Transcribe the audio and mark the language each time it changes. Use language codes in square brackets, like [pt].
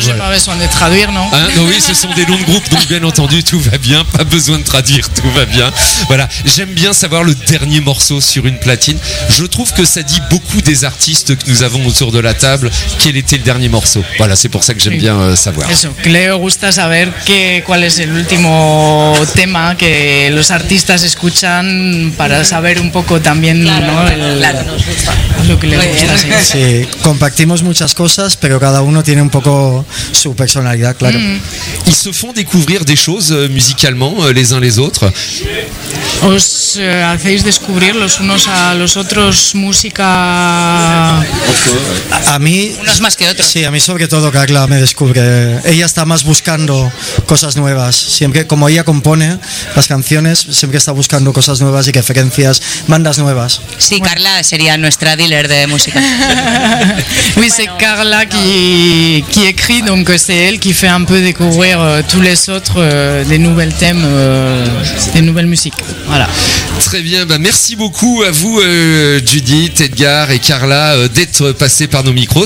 [fr] J'ai pas besoin de traduire, non? Hein? Non, oui, ce sont des noms de groupes, donc bien entendu, tout va bien. Pas besoin de traduire, tout va bien. Voilà, j'aime bien savoir le dernier morceau sur une platine. Je trouve que ça dit beaucoup des artistes que nous avons autour de la table. Quel était le dernier morceau? Voilà, c'est pour ça que j'aime bien savoir. [es] Eso, Cleo gusta saber cuál es el último tema que los artistas escuchan para saber un poco también, claro, ¿no? Claro, nos gusta. Lo que les gusta, sí. Sí, compartimos muchas cosas, pero cada uno tiene un poco. su personalidad, claro. [fr] Ils se font découvrir des choses musicalement les uns les autres. [es] Os hacéis descubrir los unos a los otros música. A mí. Unos más que otros. Sí, a mí sobre todo Carla me descubre. Ella está más buscando cosas nuevas. Siempre, como ella compone las canciones, siempre está buscando cosas nuevas y referencias, bandas nuevas. Sí, Carla sería nuestra dealer de música. [fr] Oui, c'est Carla qui écrit, donc c'est elle qui fait un peu découvrir tous les autres des nouveaux thèmes, des nouvelles musiques. Voilà. Très bien, bah merci beaucoup à vous Judith, Edgar et Carla d'être passés par nos micros.